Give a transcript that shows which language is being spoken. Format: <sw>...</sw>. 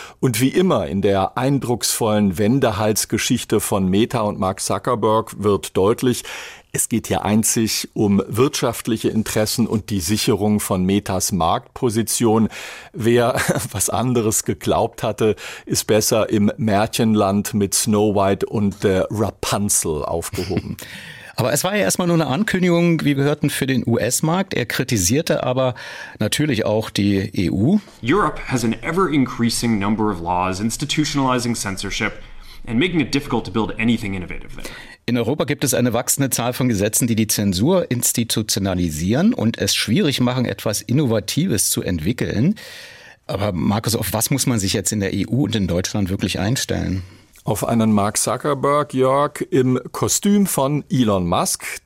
<de>Und wie immer in der eindrucksvollen Wendehalsgeschichte von Meta und Mark Zuckerberg wird deutlich, es geht hier einzig um wirtschaftliche Interessen und die Sicherung von Metas Marktposition. Wer was anderes geglaubt hatte, ist besser im Märchenland mit Snow White und Rapunzel aufgehoben. Aber es war ja erstmal nur eine Ankündigung, wie wir hörten, für den US-Markt. Er kritisierte aber natürlich auch die EU.</de> <en>Europe has an ever-increasing number of laws institutionalizing censorship and making it difficult to build anything innovative there.</en> <de>In Europa gibt es eine wachsende Zahl von Gesetzen, die die Zensur institutionalisieren und es schwierig machen, etwas Innovatives zu entwickeln. Aber Markus, auf was muss man sich jetzt in der EU und in Deutschland wirklich einstellen? Auf einen Mark Zuckerberg, Jörg, im Kostüm von Elon Musk.</de>